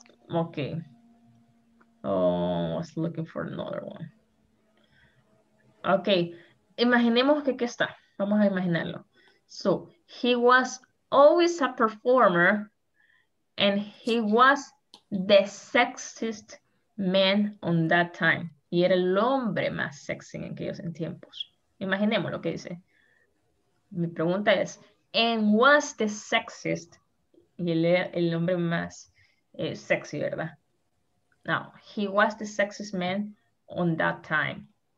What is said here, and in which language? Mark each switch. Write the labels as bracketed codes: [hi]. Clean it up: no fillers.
[en] Okay, oh, I was looking for another one. [es] Okay, imaginemos que aquí está, vamos a imaginarlo. [en] So, he was always a performer and he was the sexiest man on that time. [es] Y era el hombre más sexy en aquellos tiempos. Imaginemos lo que dice. Mi pregunta es, [en] ¿and was the sexiest? [es] Y él era el hombre más sexy, ¿verdad? [en] Now, he was the sexiest man on that time.